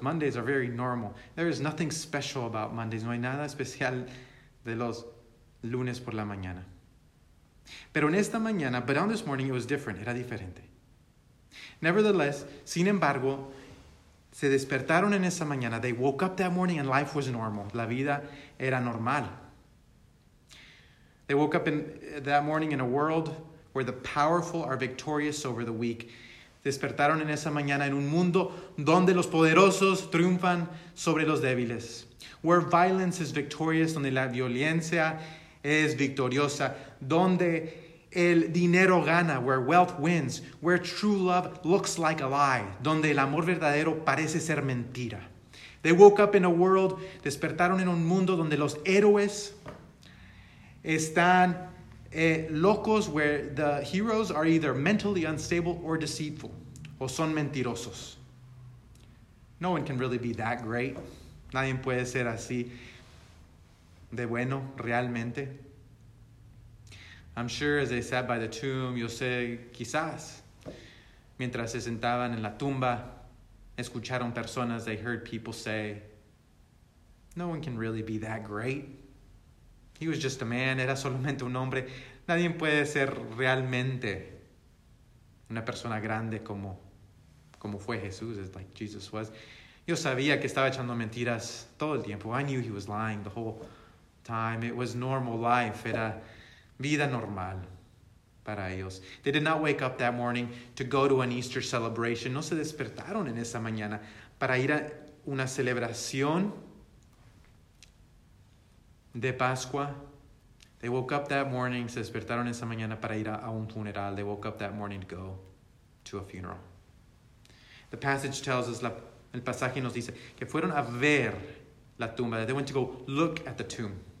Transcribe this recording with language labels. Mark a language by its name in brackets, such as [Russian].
[English] Mondays are very normal. There is nothing special about Mondays. [Spanish] No hay nada especial de los lunes por la mañana. Pero en esta mañana, [English] but on this morning, it was different. [Spanish] Era diferente. Nevertheless, sin embargo, se despertaron en esa mañana. [English] They woke up that morning and life was normal. [Spanish] La vida era normal. [English] They woke up that morning in a world where the powerful are victorious over the weak. [Spanish] Despertaron en esa mañana en un mundo donde los poderosos triunfan sobre los débiles. [English] Where violence is victorious, [Spanish] donde la violencia es victoriosa, donde el dinero gana, [English] where wealth wins, where true love looks like a lie, [Spanish] donde el amor verdadero parece ser mentira. [English] They woke up in a world, [Spanish] despertaron en un mundo donde los héroes están locos, [English] where the heroes are either mentally unstable or deceitful, [Spanish] o son mentirosos. [English] No one can really be that great. [Spanish] Nadie puede ser así de bueno realmente. [English] I'm sure as they sat by the tomb, [Spanish] yo sé, quizás, mientras se sentaban en la tumba, escucharon personas, [English] they heard people say, no one can really be that great. He was just a man, [Spanish] era solamente un hombre. Nadie puede ser realmente una persona grande como fue Jesús, [English] as like Jesus was. [Spanish] Yo sabía que estaba echando mentiras todo el tiempo. [English] I knew he was lying the whole time. It was normal life, [Spanish] era vida normal para ellos. [English] They did not wake up that morning to go to an Easter celebration. [Spanish] No se despertaron en esa mañana para ir a una celebración de Pascua. [English] They woke up that morning, [Spanish] se despertaron esa mañana para ir a un funeral. [English] They woke up that morning to go to a funeral. The passage tells us, [Spanish] el pasaje nos dice, que fueron a ver la tumba. [English] They went to go look at the tomb.